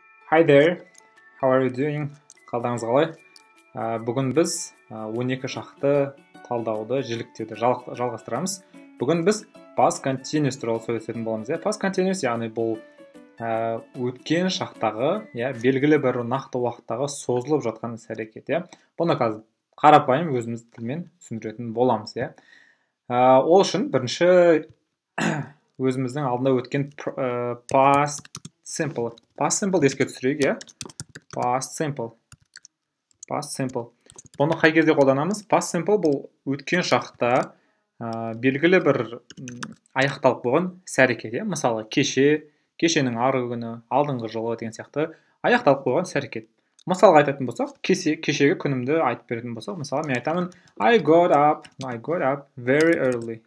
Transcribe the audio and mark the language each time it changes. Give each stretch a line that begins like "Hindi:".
English: Hi there, how are you doing?
Kazakh: Қалдаңыз қалай? Бүгін біз 12 шақты талдауды жіліктеуді жалғастырамыз. Бүгін біз past continuous туралы сөйлесетін боламыз. Past continuous, яғни бұл өткен шақтағы, белгілі бір нақты уақыттағы созылып жатқан іс-әрекет. Бұны қазір қарапайым өзіміз тілмен түсіндіретін боламыз. Ол үшін бірінші өзіміздің алдында өткен past simple. Past simple еске түсірейік, past simple. Past simple. Бұны қай кезде қолданамыз? Past simple бұл өткен шақта белгілі бір аяқталып болған іс-әрекет. Мысалы, кешенің арғы күні, алдыңғы жылы деген сияқты аяқталып болған іс-әрекет. Мысалға айтатын болсақ, кешегі күнімді айтып беретін болсақ, мысалы, мен айтамын,
English: I got up very early.